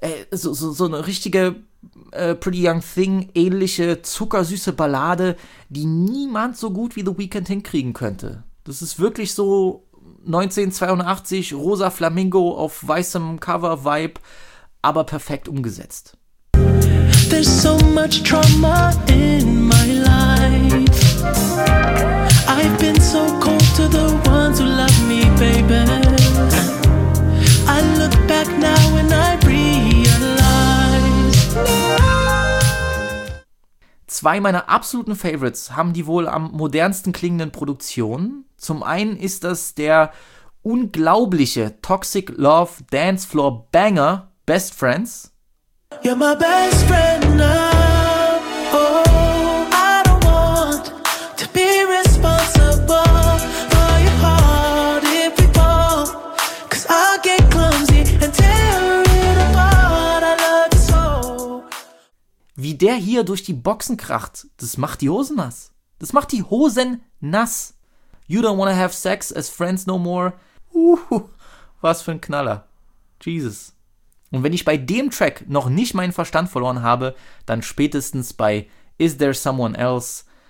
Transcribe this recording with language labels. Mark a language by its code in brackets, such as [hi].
[de] So eine richtige Pretty Young Thing-ähnliche, zuckersüße Ballade, die niemand so gut wie The Weeknd hinkriegen könnte. Das ist wirklich so 1982, rosa Flamingo auf weißem Cover-Vibe, aber perfekt umgesetzt. [en] There's so much trauma in my life. I've been so cold to the ones who love me, baby. I look back now and I realize. [de] Zwei meiner absoluten Favorites haben die wohl am modernsten klingenden Produktionen. Zum einen ist das der unglaubliche Toxic Love Dancefloor Banger Best Friends. [en] You're my best friend now. Oh, I don't want to be responsible for your heart if we fall. Cause I'll get clumsy and tear it apart. I love you so. [de] Wie der hier durch die Boxen kracht, das macht die Hosen nass. Das macht die Hosen nass. [en] You don't wanna have sex as friends no more. [de] Was für ein Knaller. Jesus. Und wenn ich bei dem Track noch nicht meinen Verstand verloren habe, dann spätestens bei Is There Someone Else?